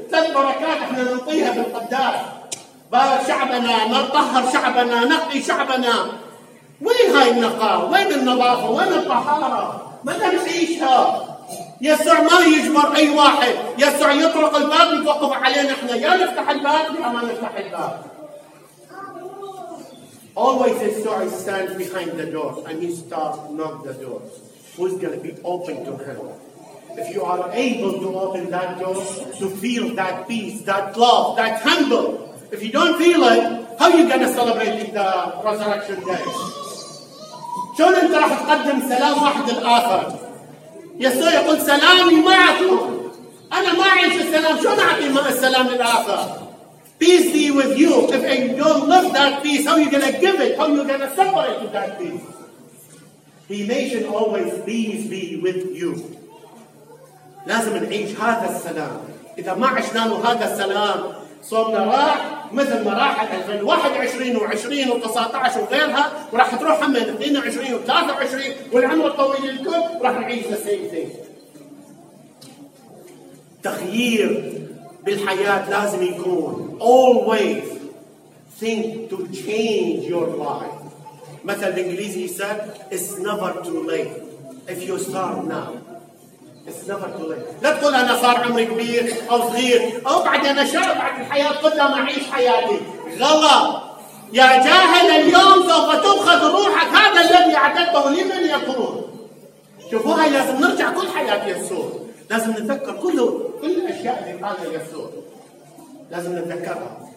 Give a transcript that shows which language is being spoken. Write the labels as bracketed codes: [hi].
[ar] ثلاث بركات احنا نلقيها بالقداس، بارك شعبنا، نطهر شعبنا، نقي شعبنا. وين هاي النقاء؟ وين النظافة؟ وين الطهارة؟ متى نعيشها؟ يسوع ما يجبر أي واحد، يسوع يطرق الباب يتوقف علينا احنا، يا نفتح الباب يا ما نفتح الباب. [en] Always Yesu stands behind the door and he stops knock the door. Who's gonna be open to him? If you are able to open that door, to feel that peace, that love, that humble. If you don't feel it, how are you gonna celebrate the resurrection day? [ar] شلون انت راح تقدم سلام واحد الآخر؟ يسوع يقول سلامي معكم، انا ما اعيش السلام، شلون اعطي السلام للآخر؟ [en] Peace be with you. If you don't love that peace, how are you gonna give it? How are you gonna suffer it to that peace? The nation always peace be with you. [ar] لازم نعيش هذا السلام. إذا ما عشنا له هذا السلام، صومنا راح مثل ما راحت 2021 و20 و19 وغيرها، وراح تروح هم 22 و23 والعمر الطويل الكل، راح نعيش [en] the same thing. [ar] تغيير بالحياة لازم يكون [en] always think to change your life. [ar] مثل الإنجليزي [en] said it's never too late. If you start now it's never too late. [ar] لا تقول أنا صار عمري كبير أو صغير أو بعد أنا شاب بعد الحياة كلها ما عيش حياتي. غلط يا جاهل، اليوم سوف تبخذ روحك، هذا الذي أعددته لمن يكون. شوفوها، لازم نرجع كل حياة يسوع، لازم نتذكر كل الأشياء اللي قالها يسوع، لازم نتذكرها.